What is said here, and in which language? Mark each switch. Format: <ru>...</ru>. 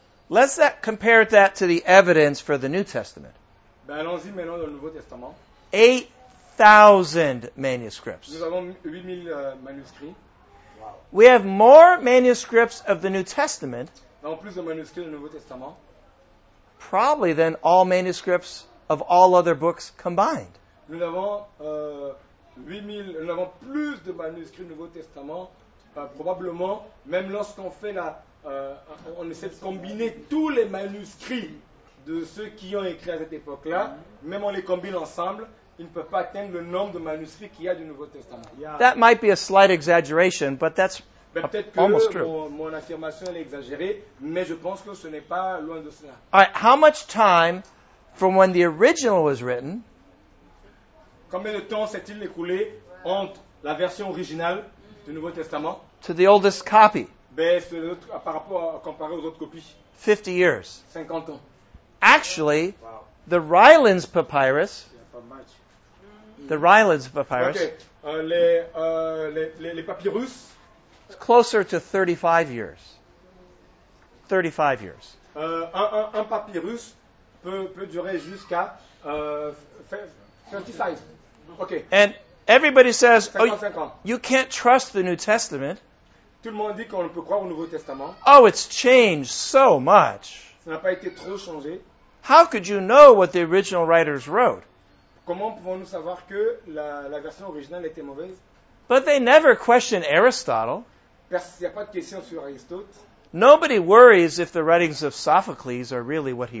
<en>Let's compare that to the evidence for the New Testament.</en> <fr>Ben allons-y maintenant dans le Nouveau Testament.</fr> <en>8,000 manuscripts.</en> <fr>Nous avons 8,000 manuscrits.</fr> <en>Wow. We have more manuscripts of the New Testament.</en> <fr>En plus de manuscrits du Nouveau Testament.</fr> <en>Probably than all manuscripts of all other books combined.</en> <fr>Nous avons 8,000, nous avons plus de manuscrits du Nouveau Testament, probablement, même lorsqu'on fait la, on essaie de combiner tous les manuscrits de ceux qui ont écrit à cette époque-là, même on les combine ensemble, ils ne peuvent pas atteindre le nombre de manuscrits qu'il y a du Nouveau Testament.</fr> <en>Yeah. That might be a slight exaggeration, but that's</en> <fr>peut-être que mon affirmation est exagérée, mais je pense que ce n'est pas loin de cela.</fr> <en>All right, how much time from when the original was written?</en> <fr>Combien de temps s'est-il écoulé entre la version originale du Nouveau Testament</fr> <en>to the oldest copy?</en> <fr>Ben, autre, par rapport à comparer aux autres copies.</fr> <en>50 years.</en> <fr>50 ans.</fr> <en>Actually, wow. The Rylands Papyrus. The Rylands Papyrus.</en> <fr>Okay. Les papyrus.</fr> <en>It's closer to 35 years. 35 years.</en> <fr>Un papyrus peut durer jusqu'à 35. Okay.</fr> <en>And everybody says, 55 oh, you can't trust the New Testament.</en> <fr>Tout le monde dit qu'on ne peut croire au Nouveau Testament.</fr> <en>Oh, it's changed so much.</en> <fr>Ça n'a pas été trop changé.</fr> <en>How could you know what the original writers wrote?</en> <fr>Comment pouvons-nous savoir que la version originale était mauvaise?</fr> <en>But they never question Aristotle.</en> <fr>Parce qu'il y a pas de question sur Aristote.</fr> <en>Nobody worries if the writings of Sophocles are really what he</en>